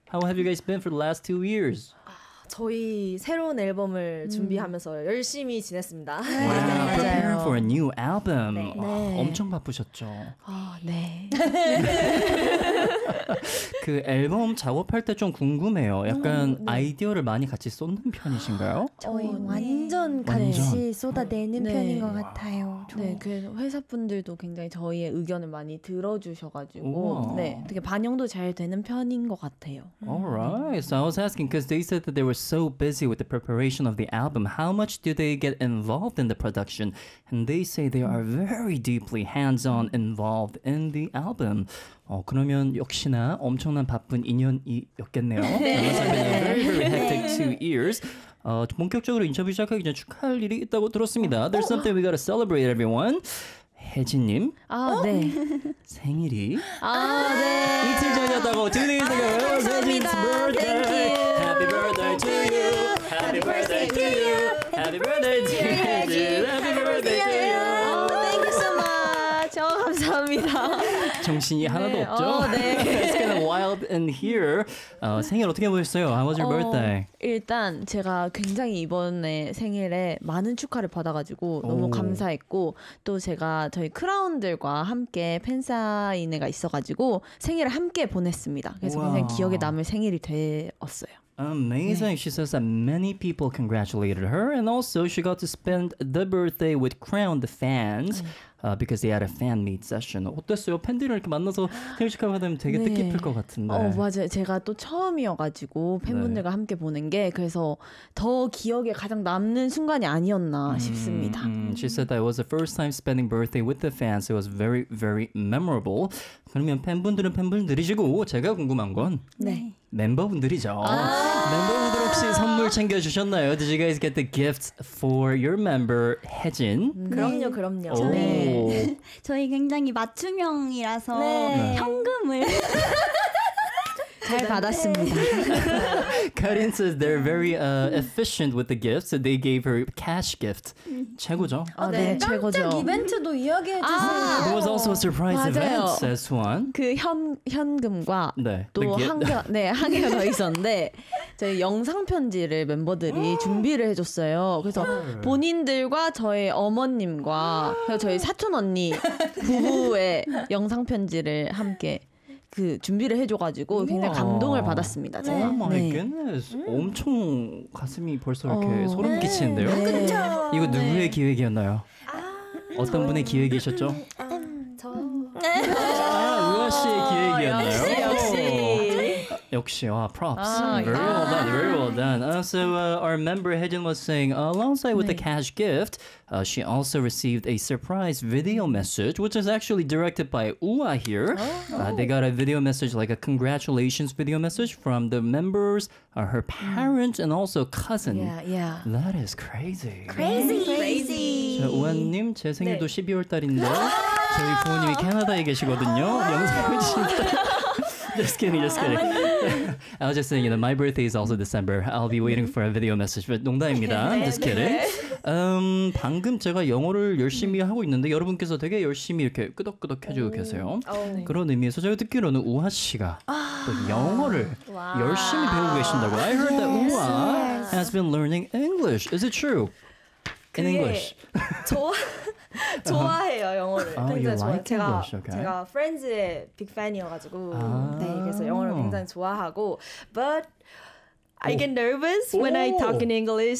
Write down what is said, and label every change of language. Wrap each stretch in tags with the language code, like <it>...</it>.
<en>How have you guys been for the last 2 years?</en> <ko>저희 새로운 앨범을 준비하면서 열심히 지냈습니다.</ko> <en>Wow, preparing for a new album.</en> <ko>네. 와, 네. 엄청 바쁘셨죠? 네. 그 앨범 작업할 때 좀 궁금해요. 약간 네. 아이디어를 많이 같이 쏟는 편이신가요? 저희 완전 같이 쏟아내는 네. 편인 것 같아요. 네, 그래서 회사분들도 굉장히 저희의 의견을 많이 들어주셔가지고 네, 되게 반영도 잘 되는 편인 것 같아요.</ko> <en>Alright, so I was asking because they said that they were so busy with the preparation of the album. How much do they get involved in the production? And they say they are very deeply hands-on involved in the album.</en> <ko>그러면 역시나 엄청난 바쁜 2년이었겠네요.</ko> <en>Very, very hectic 2 years.</en> <ko>본격적으로 인터뷰 시작하기 전에 축하할 일이 있다고 들었습니다.</ko> <en>There's something we gotta celebrate, everyone. 혜진님.</en> <ko>아, 네. 생일이. 아, 네. 이틀 전이었다고.</ko> <en>2 days ago.</en> <ko>감사합니다.</ko> <en>Happy birthday. Thank you. Happy birthday to you. Happy birthday to you. Happy birthday to you. Happy birthday to you. Happy birthday to you. Thank you so much.</en> <ko>감사합니다. 정신이 하나도 없죠. 네.</ko> <en>It's kind of wild in here.</en> <ko>생일 어떻게 보셨어요?</ko> <en>How was your birthday?</en> <ko>일단 제가 굉장히 이번에 생일에 많은 축하를 받아가지고 너무 감사했고 또 제가 저희 크라운들과 함께 팬사인회가 있어가지고 생일을 함께 보냈습니다. 그래서 굉장히 기억에 남을 생일이 되었어요.</ko> <en>Amazing. 네. She says that many people congratulated her and also she got to spend the birthday with Crown the fans. Because they had a fan meet session.</en> <ko>어땠어요? 팬들이랑 이렇게 만나서 생일 축하받으면 되게 네. 뜻깊을 것 같은데. 맞아요. 제가 또 처음이어가지고 팬분들과 네. 함께 보는 게 그래서 더 기억에 가장 남는 순간이 아니었나 싶습니다.</ko> <en>She said that it was the first time spending birthday with the fans. It was very, very memorable.</en> <ko>그러면 팬분들은 팬분들이시고 제가 궁금한 건 네. 멤버분들이죠. 멤버분들 혹시 선물 챙겨주셨나요?</ko> <en>Did you guys get the gifts for your member, 혜진?</en> <ko>그럼요, 그럼요. 저희, 저희 굉장히 맞춤형이라서 네. 현금을 잘 받았습니다.</ko> <en>Karin says they're very efficient with the gifts, so they gave her cash gift.</en> <ko>최고죠? 네, 최고죠. 깜짝 이벤트도 이야기해주세요.</ko> <en>It was also a surprise event, says Swan.</en> <ko>그 현금과 네. 또 한 개가 더 있었는데 저희 영상 편지를 멤버들이 준비를 해줬어요. 그래서 본인들과 저희 어머님과 저희 사촌 언니 부부의 영상 편지를 함께 그 준비를 해줘가지고 굉장히 감동을 받았습니다. 네. 제가.</ko> <en>Oh my goodness.</en> <ko>엄청 가슴이 벌써 이렇게 소름 네. 끼치는데요. 네. 그렇죠. 이거 누구의 네. 기획이었나요? 어떤 분의 기획이셨죠? 저. 우아 씨의 기획이었나요? 역시. 역시 와</ko> <en>props. Very well done. Very well done. So our member Hyejin was saying alongside with 네. the cash gift, she also received a surprise video message, which is actually directed by Ua here. They got a video message, like a congratulations video message from the members, her parents, and also cousin. Yeah, yeah. That is crazy. Crazy, crazy.</en> <ko>우아님 제 생일도 12월 달인데 저희 부모님이 캐나다에 계시거든요. 영상 편지.</ko> <en>Just kidding, just kidding. I was just saying, you know, my birthday is also December. I'll be waiting for a video message. But</en> <ko>농담입니다.</ko> <en>Just kidding.</en> <ko>방금 제가 영어를 열심히 하고 있는데 여러분께서 되게 열심히 이렇게 끄덕끄덕 해주고 계세요. 그런 의미에서 제가 듣기로는 우아 씨가 또 영어를 열심히 배우고 계신다고.</ko> <en>I heard that Uwa has been learning English. Is it true? In English.</en> <ko>좋아해요 영어를. 아, 굉장히 like 좋아해요.</ko> <en>English,</en> <ko>제가 제가 Friends의</ko> <en>big fan</en> <ko>이어가지고 네, 그래서 영어를 굉장히 좋아하고.</ko> <en>But I get nervous when I talk in English.</en>